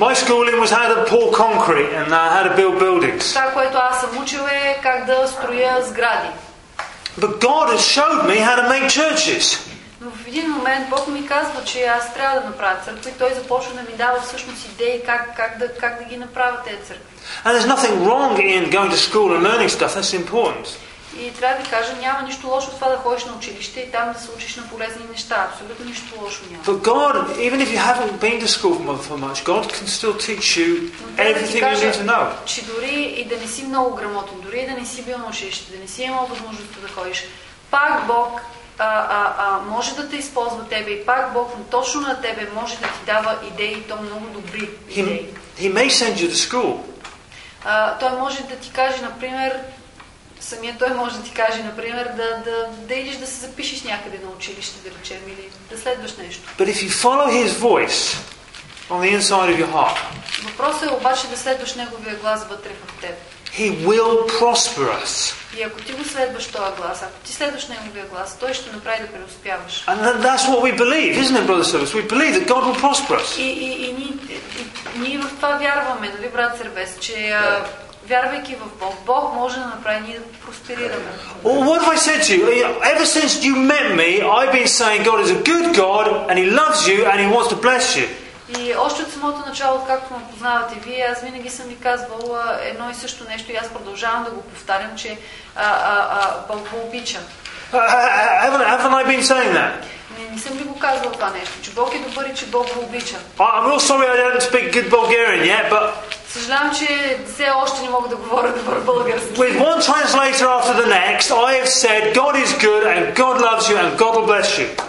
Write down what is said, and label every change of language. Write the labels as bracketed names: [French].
[English] My schooling was how to pour concrete and how to build buildings. [Bulgarian] Това, което аз съм учил, е как да строя сгради. [English] But God has showed me how to make churches. [Bulgarian] един момент Бог ми казва, че аз трябва да направя църква и той започва да ми дава всъщност идеи как да ги направя тези църкви. [English] And there's nothing wrong in going to school and learning stuff. That's important. [Bulgarian] И трябва да кажа, няма нищо лошо в това да ходиш на училище и там да се учиш на полезни неща. Абсолютно нищо лошо няма. [English] But God, even if you haven't been to school for much, God can still teach you everything you need to know. [Bulgarian] Че дори и да не си много грамотен, дори и да не си бил на училище, да не си имал възможността да ходиш, пак Бог може да те използва тебе и пак Бог точно на тебе може да ти дава идеи, то много добри идеи. [English] He may send you to school. [Bulgarian] Той може да ти каже, например, самия той може да ти каже, например, да идиш да се запишеш някъде на училище, да речем, или да следваш нещо. [English] But if you follow his voice on the inside of your heart. [Bulgarian] Въпросът е обаче да следваш неговия глас вътре в теб. [English] He will prosper us. [Bulgarian] И ако ти го следваш този глас, ако ти следваш неговия глас, той ще направи да преуспяваш. [English] And that's what we believe, isn't it, brother Service? We believe that God will prosper us. [Bulgarian] И ние в това вярваме, нали, брат Сервес, че вярвайки в Бог, Бог може да направи ние да просперираме. [English] Well, what have I said to you? Ever since you met me, I've been saying God is a good God and He loves you and He wants to bless you. [Bulgarian] И още от самото начало, както ме познавате вие, аз винаги съм ви казвал едно и също нещо и аз продължавам да го повтарям, че Бог го обича. [English] Haven't I been saying that? [Bulgarian] Не съм ли го казвал това нещо, че Бог е добър и че Бог го обича. [English] I'm real sorry I didn't speak good Bulgarian yet, but... [Bulgarian] Съжалявам, че все още не мога да говоря добър български. [English] With one translator after the next, I have said God is good and God loves you and God will bless you.